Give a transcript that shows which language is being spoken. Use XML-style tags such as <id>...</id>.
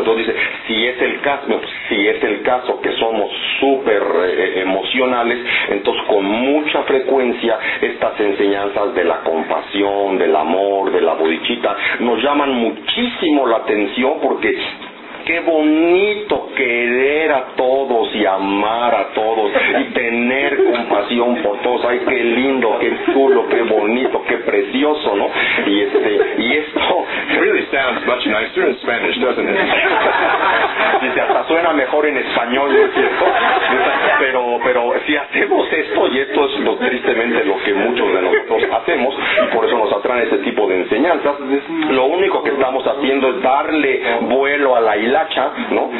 <es>Entonces dice, si es el caso, si es el caso que somos súper emocionales, entonces con mucha frecuencia estas enseñanzas de la compasión, del amor, de la bodichita, nos llaman muchísimo la atención porque qué bonito querer a todos y amar a todos y tener compasión por todos. Ay, qué lindo, qué chulo, qué bonito, qué precioso, ¿no? Y este, y esto...</es> <en>It really sounds much nicer in Spanish, doesn't it?</en> <es>Dice, hasta suena mejor en español, ¿no es cierto? Pero si hacemos esto, y esto es lo, tristemente lo que muchos de nosotros hacemos, y por eso nos atraen este tipo de enseñanzas, lo único que estamos haciendo es darle vuelo a la hilacha, ¿no?</es>